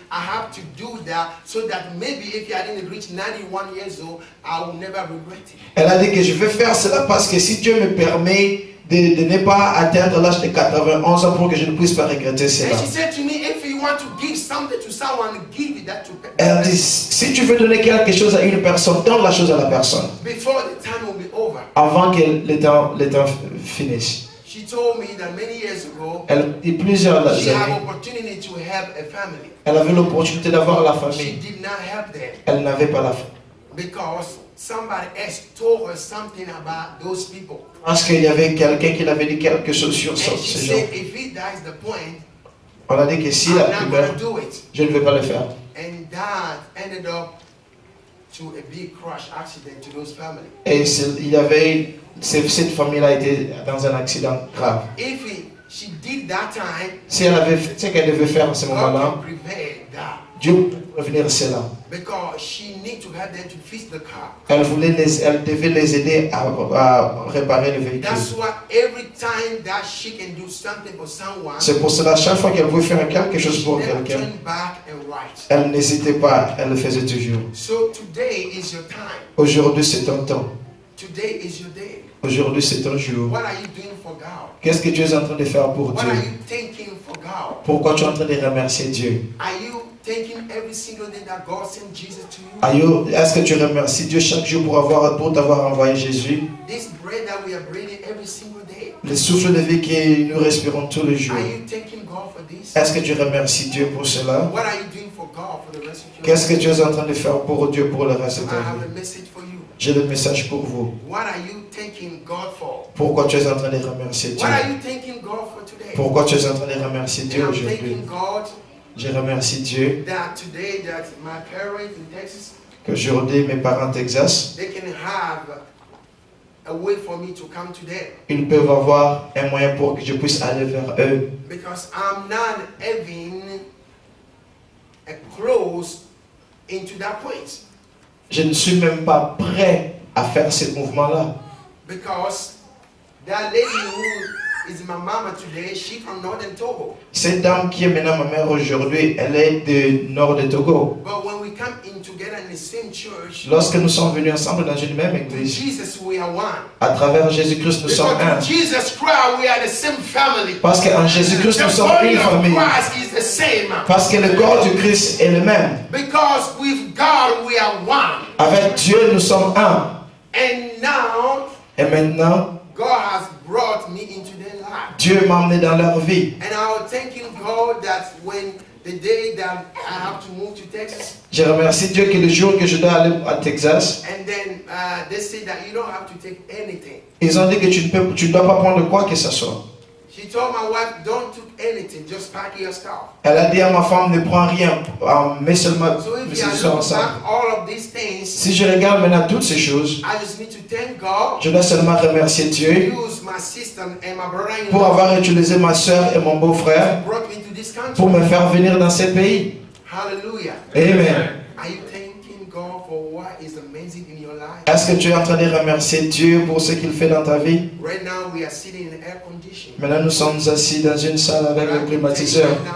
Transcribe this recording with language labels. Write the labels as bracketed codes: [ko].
[en] I have to do that so that maybe if I didn't reach 91 years old, I will never regret it. [fr] Elle a dit que je vais faire cela parce que si Dieu me permet de ne pas atteindre l'âge de 91 ans pour que je ne puisse pas regretter cela. [en] And she said to me, if want to give something to someone, give it that to them. [fr] Elle dit, si tu veux donner quelque chose à une personne, donne la chose à la personne. [en] Before the time will be over. [fr] Avant que le temps finisse. [en] She told me that many years ago. [fr] Elle dit plusieurs années. [en] She had opportunity to help a family. [fr] Elle avait l'opportunité d'avoir la famille. [en] She did not help them. [fr] Elle n'avait pas la famille. [en] Because somebody else told her something about those people. [fr] Parce qu'il y avait quelqu'un qui avait dit quelque chose sur ces gens. [en] And she said, if he dies the point, [fr] on a dit que si la plupart, je ne vais pas le faire. [en] And that ended up to a big crash accident to those family. [fr] Et il y avait cette famille a été dans un accident grave. [en] If he, she did that time, [fr] si elle avait fait ce qu'elle devait faire à ce moment-là, [en] that. [fr] Dieu peut prévenir cela. [en] Because she need to help them to fix the car. [fr] Elle voulait les, elle devait les aider à réparer le véhicule. [en] That's why every time that she can do something for someone. [fr] C'est pour cela chaque fois qu'elle voulait faire quelque chose pour quelqu'un. Elle n'hésitait pas, elle le faisait toujours. [en] So today is your time. [fr] Aujourd'hui c'est ton temps. [en] Today is your day. [fr] Aujourd'hui c'est un jour. [en] What are you doing for God? [fr] Qu'est-ce que tu es en train de faire pour [en] What [fr] Dieu? [en] Are you thanking for God? [fr] Pourquoi tu es en train de remercier Dieu? [en] Are you thanking every single day that God sent Jesus to you? Are you, [fr] est-ce que tu remercies Dieu chaque jour pour avoir pour t'avoir envoyé Jésus? [en] This bread that we are breathing every single day. [fr] Le souffle de vie que nous respirons tous les jours. [en] Are you thanking God for this? [fr] Est-ce que tu remercies Dieu pour cela? [en] What are you doing for God for the rest of your [fr] Qu'est-ce [en] life? [fr] Que tu es en train de faire pour Dieu pour le reste de ta vie? [en] I have a message for you. [fr] J'ai le message pour vous. [en] What are you thanking God for? [fr] Pourquoi tu es en train de remercier Dieu? [en] What are you thanking God for today? [fr] Pourquoi tu es en train de remercier Dieu [en] And [fr] aujourd'hui? [en] I'm thanking God [fr] Je remercie Dieu [en] that today that my parents in Texas, [fr] que aujourd'hui mes parents Texas [en] they can have a way for me to come to them. [fr] Ils peuvent avoir un moyen pour que je puisse aller vers eux. [en] Because I'm not having a close into that point. [fr] Je ne suis même pas prêt à faire ce mouvement-là. [en] Because that lady who is my mama today, she from northern Togo. [fr] Cette dame qui est maintenant ma mère aujourd'hui, elle est du nord de Togo. [en] But when we come in together in the same church, [fr] lorsque nous sommes venus ensemble dans une même église, [en] Jesus, we are one. [fr] À travers Jésus-Christ, nous [en] Because [fr] sommes un. [en] Jesus Christ, we are the same family. [fr] Parce qu'en Jésus-Christ, [en] the [fr] nous sommes une famille. [en] Christ is the same. [fr] Parce que le corps du Christ est le même. [en] Because with God, we are one. [fr] Avec Dieu, nous sommes un. [en] And now, [fr] Et maintenant, [en] God has brought me into their life. [fr] Dieu m'a amené dans leur vie. [en] And I will thank you, God, that when the day that I have to move to Texas. [fr] Je remercie Dieu que le jour que je dois aller à Texas. [en] And then they say that you don't have to take anything. [fr] Ils ont dit que tu ne dois pas prendre quoi que ce soit. [en] She told my wife, don't take anything, just pack your stuff. [fr] Elle a dit à ma femme, ne prends rien, mets seulement mes choses ensemble. Si je regarde maintenant toutes ces choses, [en] I just need to thank God, [fr] je dois seulement remercier Dieu [en] use my sister and my brother-in-law [fr] pour avoir utilisé ma soeur et mon beau-frère [en] brought me to this country. [fr] Pour me faire venir dans ce pays. Hallelujah. Amen. [en] Are you thanking God for what is amazing in your life? [fr] Est-ce que tu es en train de remercier Dieu pour ce qu'il fait dans ta vie? [en] Right now we are sitting in air conditioning. [fr] Maintenant nous sommes assis dans une salle avec le climatiseur.